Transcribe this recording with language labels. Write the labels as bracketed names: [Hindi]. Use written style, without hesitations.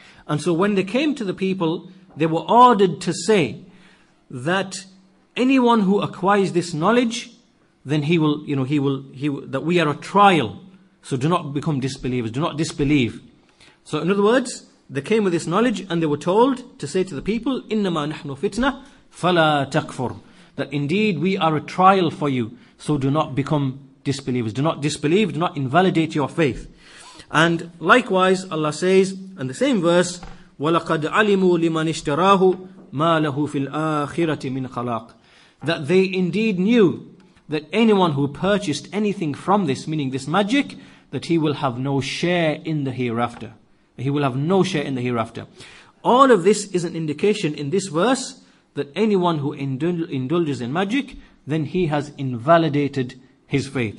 [English] And so when they came to the people, they were ordered to say that anyone who acquires this knowledge, then that we are a trial. So do not become disbelievers, do not disbelieve. So in other words, they came with this knowledge and they were told to say to the people, [Arabic] إِنَّمَا نَحْنُ فِتْنَةً فَلَا تَكْفُرُ. [English] That indeed we are a trial for you, so do not become disbelievers. Do not disbelieve, do not invalidate your faith. And likewise, Allah says, in the same verse, [Arabic] وَلَقَدْ عَلِمُوا لِمَنِ اشْتَرَاهُ مَا لَهُ فِي الْآخِرَةِ مِنْ خَلَاقٍ. [English] That they indeed knew that anyone who purchased anything from this, meaning this magic, that he will have no share in the hereafter. He will have no share in the hereafter. All of this is an indication in this verse that anyone who indulges in magic, then he has invalidated his faith.